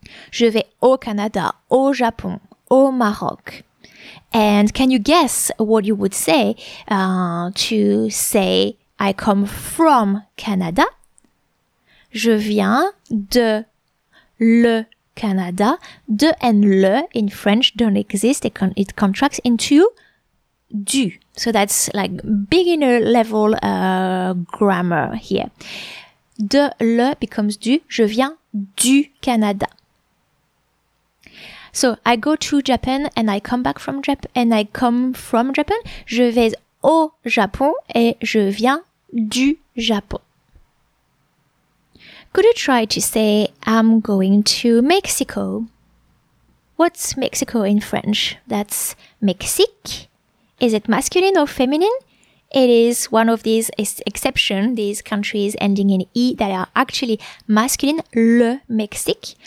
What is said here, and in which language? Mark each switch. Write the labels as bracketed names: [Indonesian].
[French] Je vais au Canada, au Japon, au Maroc. [English] And can you guess what you would say to say I come from Canada? [French] Je viens de le Canada. [English] De and le in French don't exist. It contracts into du. So that's like beginner level grammar here. [French] De le [English] becomes [French] du. Je viens du Canada. [English] So I go to Japan and I come back from Japan and I come from Japan. [French] Je vais au Japon et je viens du Japon. [English] Could you try to say, I'm going to Mexico? What's Mexico in French? That's Mexique. Is it masculine or feminine? It is one of these exceptions, these countries ending in E that are actually masculine, le Mexique.